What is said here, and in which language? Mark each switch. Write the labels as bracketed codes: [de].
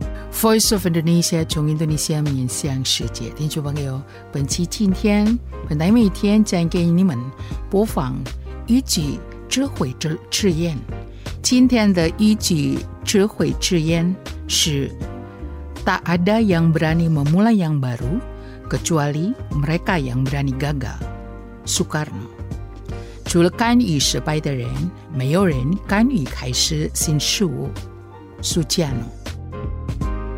[zh] Voice of Indonesia， 从印度尼西亚面向世界。听众朋友，本期今天本台每天将给你们播放一句智慧之言。今天的一句智慧之言是： [id] Tak ada yang berani memulai yang baru kecuali mereka yang berani gagal. Soekarno。 [zh] 除了敢于失败的人，没有人敢于开始新事物。苏加诺。